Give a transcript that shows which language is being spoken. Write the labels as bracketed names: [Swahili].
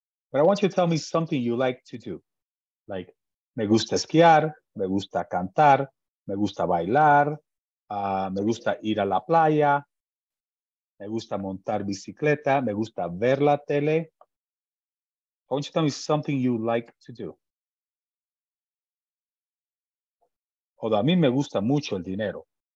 [English] But I want you to tell me something you like to do. Like, [Spanish] me gusta esquiar, me gusta cantar, me gusta bailar, me gusta ir a la playa. Me gusta montar bicicleta. Me gusta ver la tele. [English] I want you to tell me something you like to do. Although [Spanish] a mí me gusta mucho el dinero.